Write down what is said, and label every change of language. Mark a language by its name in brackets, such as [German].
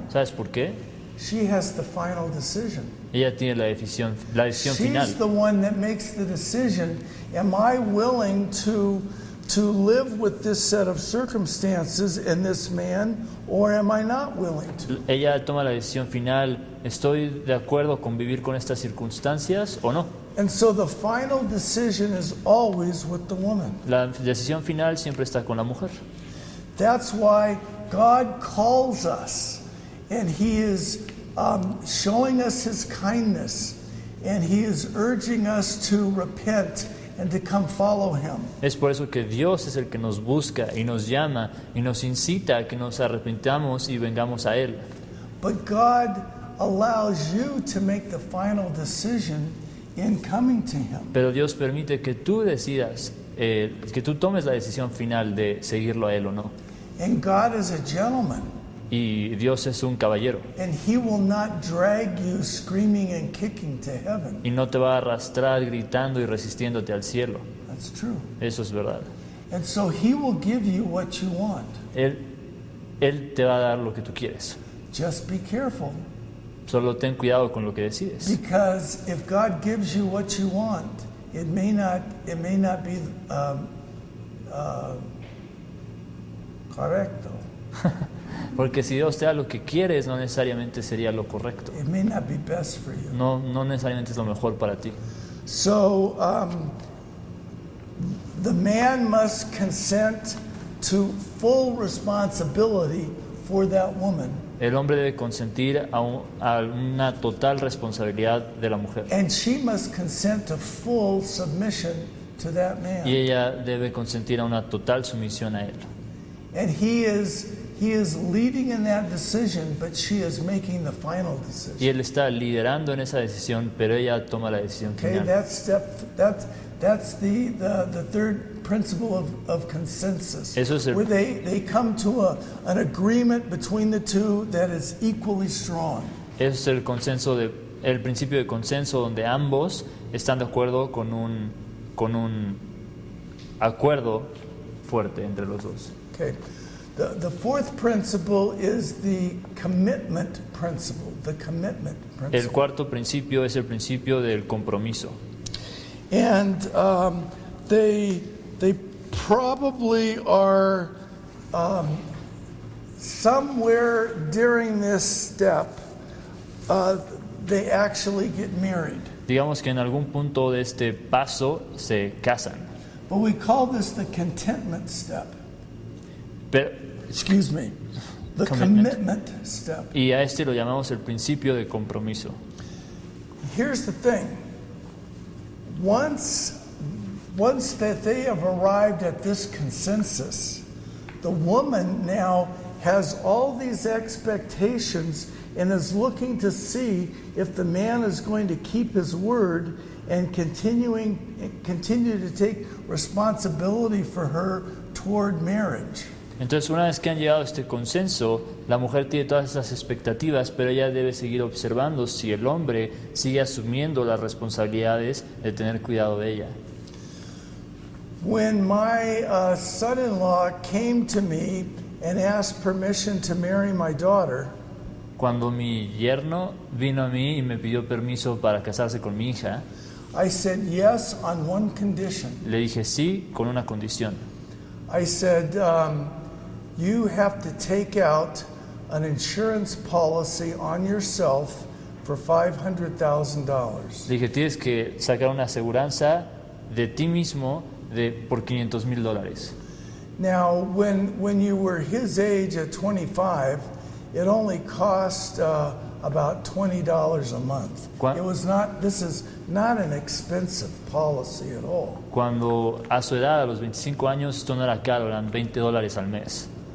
[Spanish] ¿Sabes por qué? [English] She has the final decision. [Spanish] Ella tiene la decisión [English] She's final. She's the one that makes the decision. Am I willing to live with this set of circumstances and this man, or am I not willing to? [Spanish] Ella toma la decisión final. ¿Estoy de acuerdo con vivir con estas circunstancias o no? [English] And so the final decision is always with the woman. [Spanish] La decisión final siempre está con la mujer. [English] That's why God calls us, and he is showing us his kindness, and he is urging us to repent and to come follow him. [Spanish] Es por eso que Dios es el que nos busca y nos llama y nos incita a que nos arrepintamos y vengamos a él. [English] But God allows you to make the final decision in coming to Him. [Spanish] Pero Dios permite que tú decidas, que tú tomes la decisión final de seguirlo a Él o no. [English] And God is a gentleman. [Spanish] Y Dios es un caballero. [English] And He will not drag you screaming and kicking to heaven. [Spanish] Y no te va a arrastrar gritando y resistiéndote al cielo. [English] That's true. [Spanish] Eso es verdad. [English] And so He will give you what you want. [Spanish] Él te va a dar lo que tú quieres. [English] Just be careful. [Spanish] Solo ten cuidado con lo que decides. [English] Because if God gives you what you want, it may not be correcto. [Spanish] Porque si Dios te da lo que quieres, no necesariamente sería lo correcto. [English] It may not be best for you. [Spanish] No necesariamente es lo mejor para ti. [English] So the man must consent to full responsibility for that woman. [Spanish] El hombre debe consentir a una total responsabilidad de la mujer. [English] And she must consent to full submission to that man. [Spanish] Y ella debe consentir a una total sumisión a él. [English] And he is leading in that decision, but she is making the final decision. [Spanish] Y él está liderando en esa decisión, pero ella toma la decisión [English] final. Okay, that's the third principle of consensus. [Spanish] Eso es [English] where they come to an agreement between the two that is equally strong. [Spanish] Eso es el principio de consenso donde ambos están de acuerdo con un acuerdo fuerte entre los dos. [English] Okay. The fourth principle is the commitment principle. The commitment principle. [Spanish] El cuarto principio es el principio del compromiso. [English] And they probably are somewhere during this step. They actually get married. [Spanish] Digamos que en algún punto de este paso se casan. [English] But we call this the contentment step. [Spanish] Pero [English] excuse me, the commitment step. [Spanish] Y a este lo llamamos el principio de compromiso. [English] Here's the thing. Once that they have arrived at this consensus, the woman now has all these expectations and is looking to see if the man is going to keep his word and continue to take responsibility for her toward marriage. [Spanish] Entonces, una vez que han llegado a este consenso, la mujer tiene todas esas expectativas, pero ella debe seguir observando si el hombre sigue asumiendo las responsabilidades de tener cuidado de ella. [English] When my son-in-law came to me and asked permission to marry my daughter, [Spanish] cuando mi yerno vino a mí y me pidió permiso para casarse con mi hija, [English] I said yes on one condition. [Spanish] Le dije sí con una condición. [English] I said, you have to take out an insurance policy on yourself for $500,000. [Spanish] Dije, tienes que sacar una aseguranza de ti mismo por $500,000. [English] Now, when you were his age at 25, it only cost about $20 a month. This is not an expensive policy at all. [Spanish] Cuando a su edad, a los 25 años, esto no era caro, eran $20 al mes.